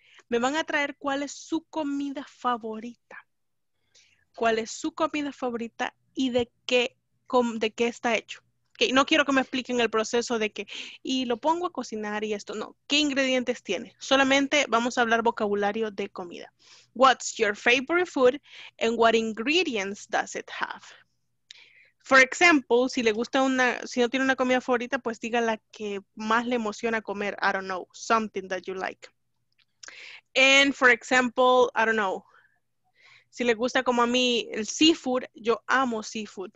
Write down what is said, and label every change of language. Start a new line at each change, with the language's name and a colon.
Spanish: Me van a traer cuál es su comida favorita. ¿Cuál es su comida favorita y de qué está hecho? Okay, no quiero que me expliquen el proceso de que, y lo pongo a cocinar y esto. No, ¿qué ingredientes tiene? Solamente vamos a hablar vocabulario de comida.
English: What's your favorite food and what ingredients does it have? For example,
Spanish: si le gusta si no tiene una comida favorita, pues diga la que más le emociona comer.
English: I don't know, something that you like. And for example, I don't know,
Spanish: si le gusta como a mí el seafood, yo amo seafood.